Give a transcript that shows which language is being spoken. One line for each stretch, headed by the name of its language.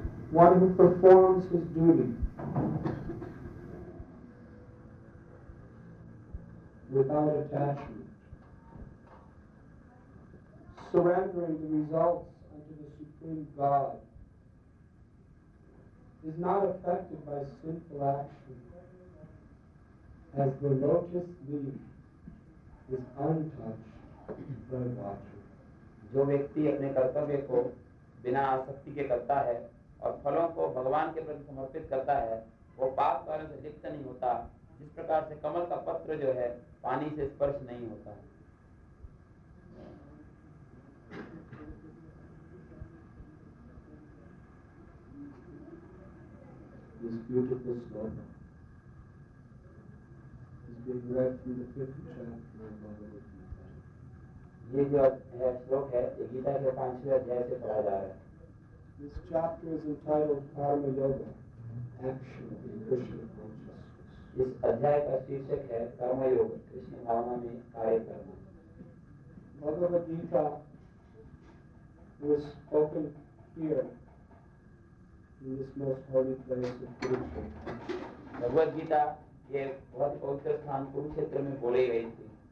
English: one who performs his duty without attachment, surrendering the results unto the Supreme God, is not affected by sinful action, as the lotus leaf is untouched by watching.
Hindi: जो व्यक्ति अपने कर्तव्य को बिना आसक्ति के करता है और फलों को भगवान के प्रति समर्पित करता है, वो पाप कार्यों से लिप्त नहीं होता, जिस प्रकार से कमल का पत्र जो है पानी से स्पर्श नहीं होता।
English: This beautiful sloka is being read from the fifth chapter of Bhagavad Gita.
Hindi: ये जो है श्लोक है ये गीता के पांचवें अध्याय से पढ़ा जा रहा है।
English: This chapter is entitled Karma Yoga, Action in Krishna Consciousness.
Hindi: इस अध्याय का शीर्षक है कर्म योग, कृष्ण भावना में कार्य करना।
English: Bhagavad Gita was spoken here in this most holy place of Kurukshetra.
Hindi: Bhagavad Gita ये बहुत पवित्र स्थान कुरुक्षेत्र में बोली गई थी।